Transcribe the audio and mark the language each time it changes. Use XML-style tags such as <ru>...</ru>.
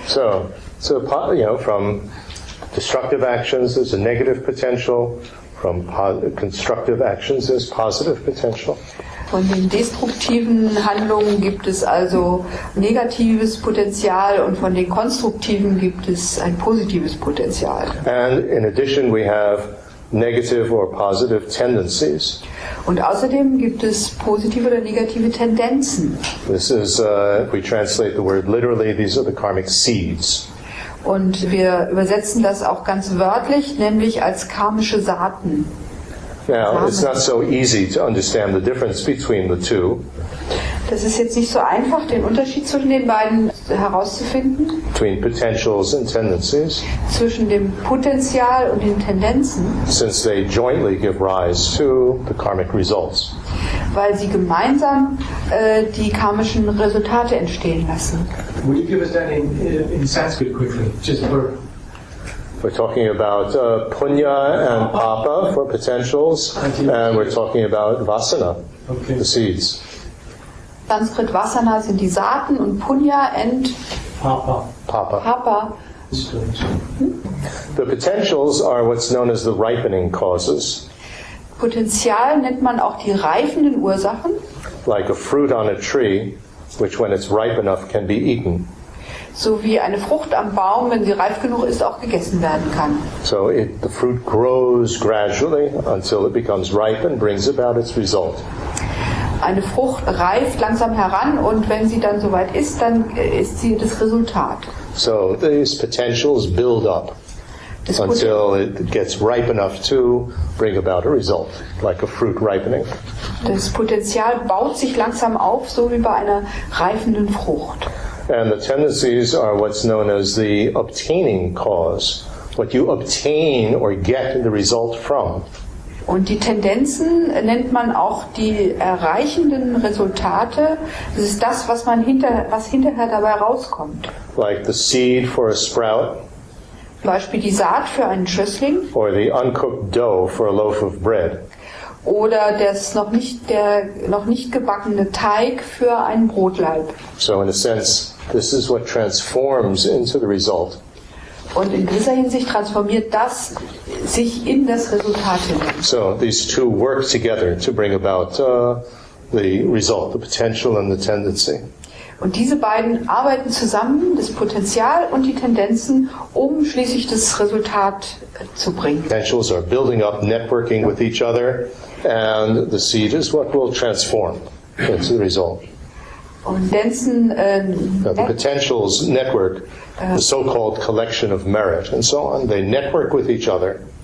<en>So you know, from destructive actions there's a negative potential, from constructive actions there's positive potential.</en> <de>Von den destruktiven Handlungen gibt es also negatives Potenzial und von den konstruktiven gibt es ein positives Potenzial.</de> <en>And in addition we have negative or positive tendencies.</en> <de>Und außerdem gibt es positive oder negative Tendenzen.</de> <en>This is, if we translate the word literally, these are the karmic seeds.</en> <de>Und wir übersetzen das auch ganz wörtlich, nämlich als karmische Saaten.</de> <en>Now, it's not so easy to understand the difference between the two.</en> <de>Das ist jetzt nicht so einfach, den Unterschied zwischen den beiden herauszufinden.</de> <en>Between potentials and tendencies.</en> <de>Zwischen dem Potenzial und den Tendenzen.</de> <en>Since they jointly give rise to the karmic results.</en> <de>Weil sie gemeinsam die karmischen Resultate entstehen lassen.</de> <en>Would you give us that in Sanskrit quickly, just for... We're talking about punya and papa for potentials, and we're talking about vasana, okay. The seeds.</en> <de>Sanskrit vasana sind die Saaten und punya and papa.</de> <en>The potentials are what's known as the ripening causes.</en> <de>Potenzial nennt man auch die reifenden Ursachen.</de> <en>Like a fruit on a tree, which when it's ripe enough can be eaten.</en> <de>So wie eine Frucht am Baum, wenn sie reif genug ist, auch gegessen werden kann.</de> <en>So the fruit grows gradually until it becomes ripe and brings about its result.</en> <de>Eine Frucht reift langsam heran und wenn sie dann soweit ist, dann ist sie das Resultat.</de> <en>So these potentials build up until it gets ripe enough to bring about a result, like a fruit ripening.</en> <de>Das Potenzial baut sich langsam auf, so wie bei einer reifenden Frucht.</de> <en>And the tendencies are what's known as the obtaining cause, what you obtain or get the result from.</en> <de>Und die Tendenzen nennt man auch die erreichenden Resultate. Das ist das, was hinterher dabei rauskommt.</de> <en>Like the seed for a sprout.</en> <de>Zum Beispiel die Saat für einen Schössling.</de> <en>Or the uncooked dough for a loaf of bread.</en> <de>Oder der noch nicht gebackene Teig für einen Brotlaib.</de> <en>So in a sense, This is what transforms into the result.</en> <de>Und in gewisser Hinsicht transformiert das sich in das Resultat hin.</de> <en>So these two work together to bring about the result, the potential and the tendency.</en> <de>Und diese beiden arbeiten zusammen, das Potenzial und die Tendenzen, um schließlich das Resultat zu bringen.</de> <en>Potentials are building up, networking with each other, and the seed is what will transform into the result. The potentials network, the so-called collection of merit and so on, they network with each other.</en>